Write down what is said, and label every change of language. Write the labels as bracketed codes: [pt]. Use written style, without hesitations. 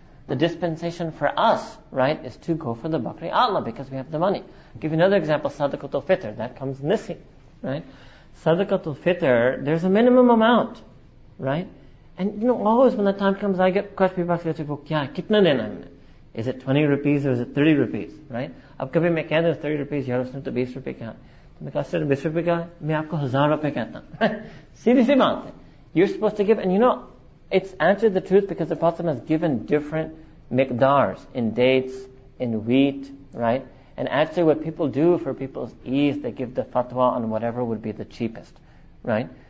[en] The dispensation for us, right, is to go for the bakri atla because we have the money. I'll give you another example, sadaqatul fitr. That comes nisi, right? Sadaqatul fitr, there's a minimum amount, right? And you know, always when that time comes, I get questions, people ask, [ur] کیا، کتنا دینا ہے؟ [en] Is it 20 rupees or is it 30 rupees, right? [ur] اب کبھی میں کہتا ہوں 30 روپے، یار اس نے تو 20 روپے کہا۔ [en] Seriously, you're supposed to give, and you know, it's actually the truth because the Prophet has given different miqdars in dates, in wheat, right? And actually what people do for people's ease, they give the fatwa on whatever would be the cheapest, right?